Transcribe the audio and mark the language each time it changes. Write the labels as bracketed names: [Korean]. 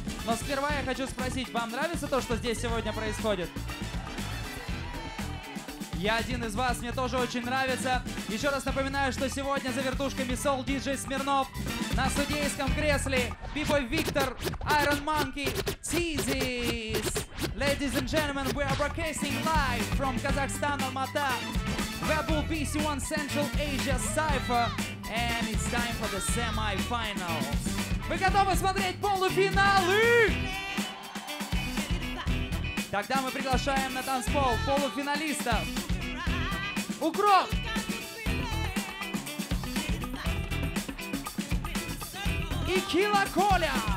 [Russian] Но сперва я хочу спросить, вам нравится то, что здесь сегодня происходит? Я один из вас, мне тоже очень нравится. Еще раз напоминаю, что сегодня за вертушками Soul DJ Смирнов, на судейском кресле B-Boy Victor, Iron Monkey, Teezys. [English] Ladies and gentlemen, we are broadcasting live from Kazakhstan, Almaty. Webull PC One Central Asia Cypher. And it's time for the semi-finals. [Russian] Вы готовы смотреть полуфиналы? Тогда мы приглашаем на танцпол полуфиналистов. Укроп! И Кила Коля!